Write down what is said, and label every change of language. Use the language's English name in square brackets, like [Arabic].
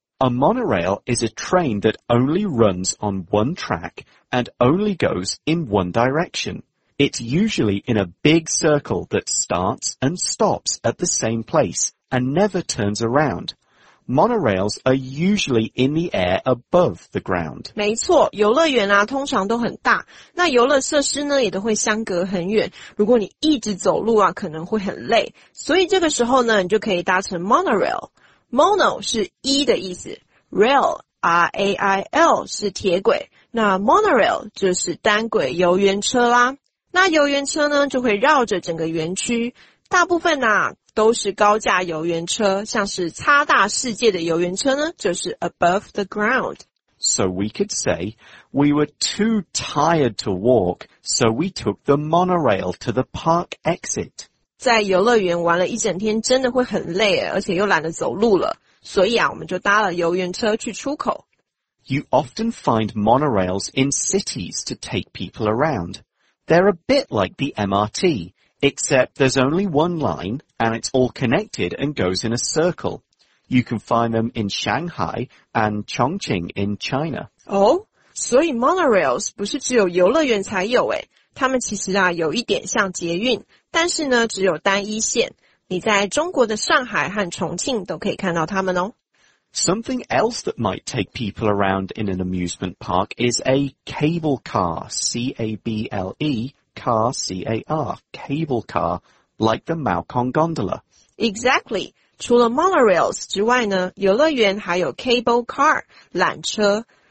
[English] A monorail is a train that only runs on one track and only goes in one direction. It's usually in a big circle that starts and stops at the same place. And never turns around. Monorails are usually in the air above the ground. [Chinese] 没错，游乐园啊，通常都很大。那游乐设施呢，也都会相隔很远。如果你一直走路啊，可能会很累。所以这个时候呢，你就可以搭乘 monorail。Mono 是一的意思 ，rail R A I L 是铁轨，那 monorail 就是单轨游园车啦。那游园车呢，就会绕着整个园区，大部分啊。都是高架游园车，像是擦大世界的游园车呢，就是 [English] above the ground. So we could say, we were too tired to walk, so we took the monorail to the park exit. [Chinese] 在游乐园玩了一整天真的会很累，而且又懒得走路了，所以啊，我们就搭了游园车去出口。 [English] You often find monorails in cities to take people around. They're a bit like the MRT. Except there's only one line, and it's all connected and goes in a circle. You can find them in Shanghai and Chongqing in China. [Chinese] Oh, 所以 monorails 不是只有游乐园才有耶。它们其实啊有一点像捷运，但是呢只有单一线。你在中国的上海和重庆都可以看到它们哦。 [English] Something else that might take people around in an amusement park is a cable car, C-A-B-L-E,car, C-A-R, cable car, like the Maokong gondola. [Chinese] Exactly. 除了 monorails 之外呢，游乐园还有 cable car, 缆车。